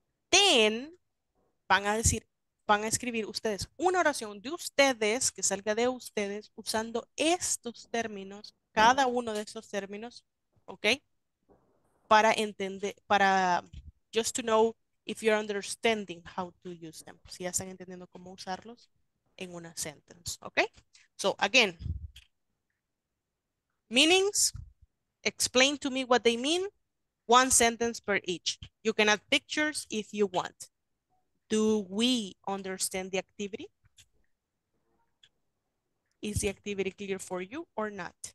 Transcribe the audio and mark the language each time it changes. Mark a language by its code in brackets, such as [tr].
[es] Then van a decir, van a escribir ustedes una oración de ustedes que salga de ustedes usando estos términos, cada uno de esos términos, okay? Para entender, para [en] just to know if you're understanding how to use them. [es] Si ya están entendiendo cómo usarlos en una sentence, okay? [en] So again, meanings, explain to me what they mean, one sentence per each. You can add pictures if you want. Do we understand the activity? Is the activity clear for you or not?